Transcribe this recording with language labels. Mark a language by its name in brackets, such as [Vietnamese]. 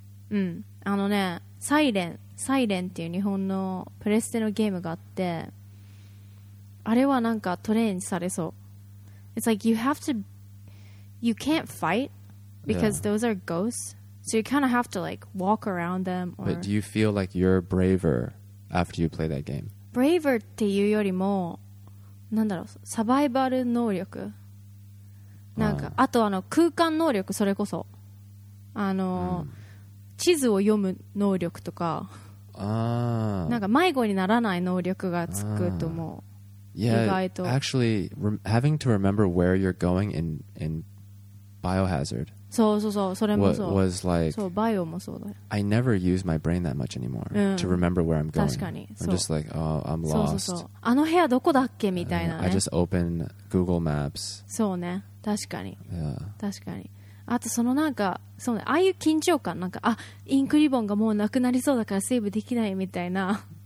[Japanese] うん、あのね、サイレンっていう日本のプレステのゲームがあって、あれはなんかトレーンされそう。 [English] It's like you have to, you can't fight because those are ghosts. So you kind of have to like walk around them. Or But do you feel like you're braver after you play that game? [Japanese] Braver っていうよりも、なんだろう、サバイバル能力。なんか、あとあの空間能力、それこそ。あの、地図を読む能力とか。なんか迷子にならない能力がつくと思う。 [English] Yeah, actually, having to remember where you're going in Biohazard was like, I never use my brain that much anymore to remember where I'm going. I'm just like, oh, I'm lost. [Japanese] あの部屋どこだっけみたいなね。 [English] I just open Google Maps. [Japanese] そうね、確かに。 [English] Yeah. [Japanese] 確かに。あとそのなんか、そうね、ああいう緊張感、なんか、あ、インクリボンがもうなくなりそうだからセーブできないみたいな。